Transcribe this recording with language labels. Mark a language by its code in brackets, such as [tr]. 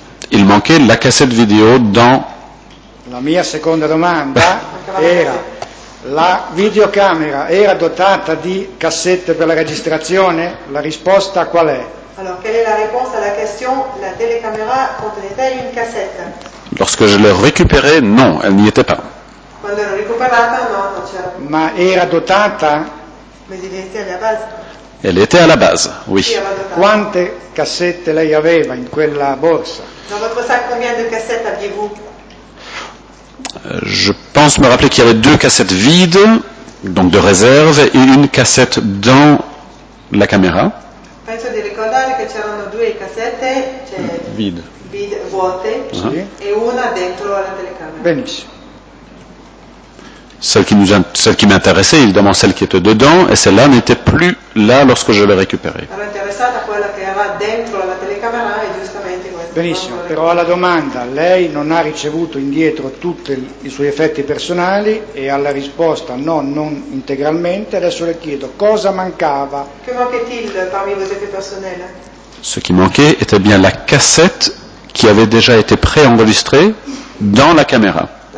[fr] Il manquait la cassette vidéo dans... [it] La mia seconda domanda era, la videocamera era dotata di cassette per la registrazione? La risposta qual è? [fr] Alors, quelle est la réponse à la question, la télécaméra contenait-elle une cassette? Lorsque je l'ai récupérée, non, elle n'y était pas. Quand elle l'a récupérée, non, non, non. Mais elle était [it] dotata? [fr] Mais elle était à la base. Elle était à la base, oui. [it] Quante cassette lei aveva in quella borsa? [fr] Dans votre sac, combien de cassettes aviez-vous? Je pense me rappeler qu'il y avait deux cassettes vides, donc de réserve, et une cassette dans la caméra. [it] Penso di ricordare che c'erano due cassette, cioè [fr] vide. Vide, [it] vuote, sì. E una dentro la telecamera. Benissimo. [fr] Celle qui m'intéressait, évidemment, celle qui était dedans, et celle-là n'était plus là lorsque je l'ai récupérée. [it] Era interessata quella che era dentro la telecamera e giustamente questa. Benissimo, però alla domanda, lei non ha ricevuto indietro tutti i suoi effetti personali e alla risposta no, non integralmente, adesso le chiedo cosa mancava. [fr] Che manquait-il parmi vos effets personnels? Ce qui manquait était bien la cassette qui avait déjà été pré-enregistrée dans la caméra.